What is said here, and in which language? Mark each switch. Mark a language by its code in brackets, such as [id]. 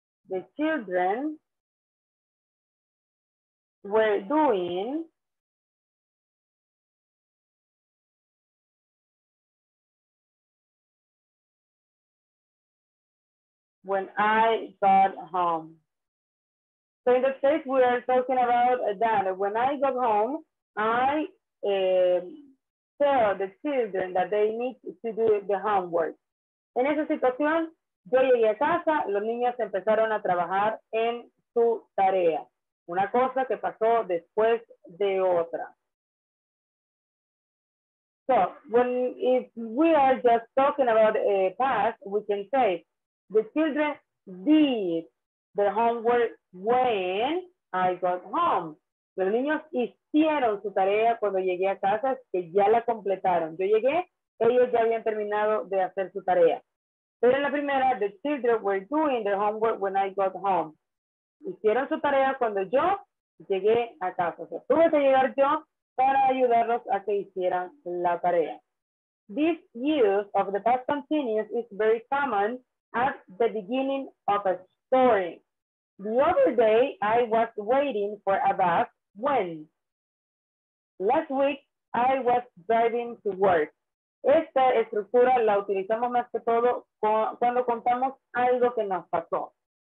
[en] The children were doing when I got home. So in this case, we are talking about that. When I got home, I tell the children that they need to do the homework. [es] En esa situación, yo llegué a casa, los niños empezaron a trabajar en su tarea. Una cosa que pasó después de otra. [en] So, when if we are just talking about a past, we can say, the children did the homework when I got home. [es] Los niños hicieron su tarea cuando llegué a casa, que ya la completaron. Yo llegué, ellos ya habían terminado de hacer su tarea. Pero en la primera, [en] the children were doing their homework when I got home. [es] Hicieron su tarea cuando yo llegué a casa. O sea, tuve que llegar yo para ayudarlos a que hicieran la tarea. [en] This use of the past continuous is very common at the beginning of a story. The other day, I was waiting for a bus when. Last week, I was driving to work. [es] Esta estructura la utilizamos más que todo cuando contamos algo que nos pasó.